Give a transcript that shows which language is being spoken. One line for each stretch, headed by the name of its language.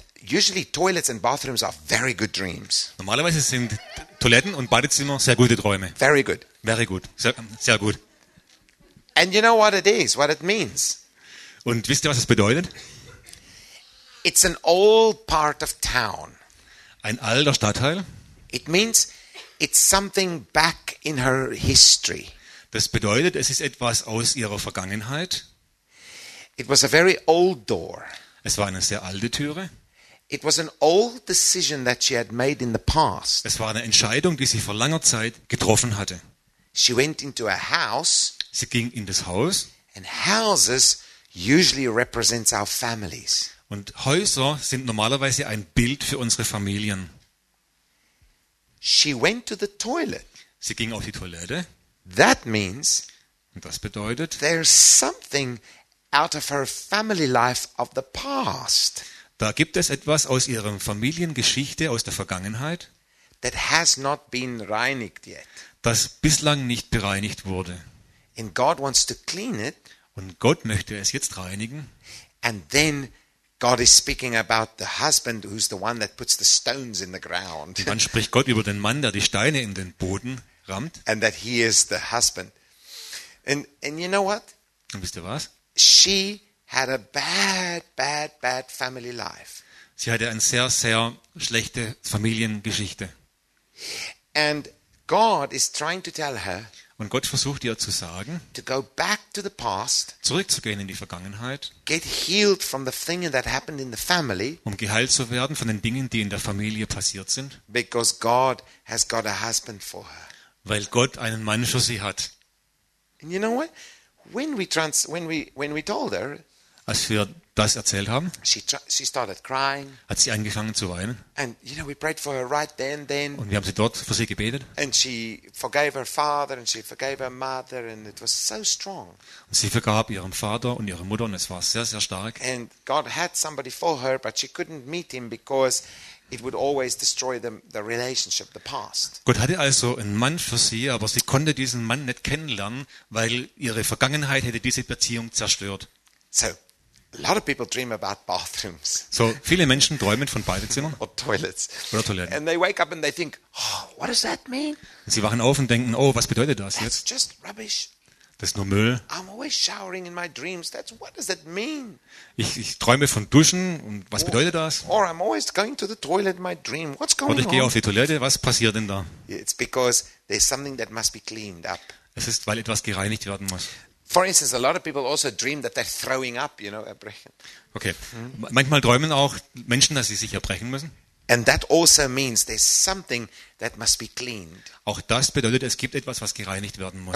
English: Usually toilets and bathrooms are very good dreams.
German: Normalerweise sind Toiletten und Badezimmer sehr gute Träume.
English: Very good. Very good.
German: Sehr gut.
English: And you know what it is, what it means.
German: Und wisst ihr, was es bedeutet?
English: It's an old part of town.
German: Ein alter Stadtteil.
English: It means it's something back in her history.
German: Das bedeutet, es ist etwas aus ihrer Vergangenheit.
English: It was a very old door.
German: Es war eine sehr alte Türe.
English: It was an old decision that she had made in the past.
German: Es war eine Entscheidung, die sie vor langer Zeit getroffen hatte.
English: She went into a house.
German: Sie ging in das Haus.
English: And houses usually represents our families.
German: Und Häuser sind normalerweise ein Bild für unsere Familien.
English: She went to the toilet.
German: Sie ging auf die Toilette.
English: That means.
German: Und das bedeutet.
English: There's something out of her family life of the past.
German: Da gibt es etwas aus ihrer Familiengeschichte, aus der Vergangenheit.
English: That has not been reinigt yet.
German: Das bislang nicht bereinigt wurde.
English: And God wants to clean it.
German: Und Gott möchte es jetzt reinigen.
English: And then. God is speaking about the husband who's the one that puts the stones in the ground.
German: Dann spricht Gott über den Mann, der die Steine in den Boden rammt.
English: And that he is the husband. And you know what?
German: Und wisst ihr was?
English: She had a bad family life.
German: Sie hatte eine sehr schlechte Familiengeschichte.
English: And God is trying to tell her.
German: Und Gott versucht ihr zu sagen,
English: to go back to the past,
German: zurückzugehen in die Vergangenheit,
English: get healed from the thing that happened in the family,
German: um geheilt zu werden von den Dingen, die in der Familie passiert sind,
English: because God has got a husband for her.
German: Weil Gott einen Mann für sie hat.
English: And you know what? When we told her,
German: als wir das erzählt haben,
English: she started crying,
German: hat sie angefangen zu weinen.
English: And you know, we prayed for her right then.
German: Und wir haben sie dort für sie gebetet.
English: And she forgave her father and she forgave her mother and it was so strong.
German: Und sie vergab ihrem Vater und ihrer Mutter und es war sehr sehr stark.
English: And God had somebody for her, but she couldn't meet him because it would always destroy the relationship, the past.
German: Gott hatte also einen Mann für sie, aber sie konnte diesen Mann nicht kennenlernen, weil ihre Vergangenheit hätte diese Beziehung zerstört.
English: So. A lot of people dream about bathrooms.
German: So viele Menschen träumen von Badezimmern
English: or toilets.
German: Oder Toiletten.
English: And they wake up and they think, oh, what does that mean?
German: Und sie wachen auf und denken, oh, was bedeutet das jetzt?
English: That's just rubbish.
German: Das ist nur Müll.
English: I'm always showering in my dreams. That's what does that mean?
German: Ich träume von Duschen und was bedeutet das?
English: Or I'm always going to the toilet in my dream. What's going on?
German: Oder ich gehe auf die Toilette. Was passiert denn da?
English: It's because there's something that must be cleaned up.
German: Es ist, weil etwas gereinigt werden muss.
English: For instance, a lot of people also dream that they're throwing up, you know, erbrechen. Okay.
German: Manchmal träumen auch Menschen, dass sie sich erbrechen müssen.
English: And that also means there's something that must be cleaned.
German: Auch das bedeutet, es gibt etwas, was gereinigt werden muss.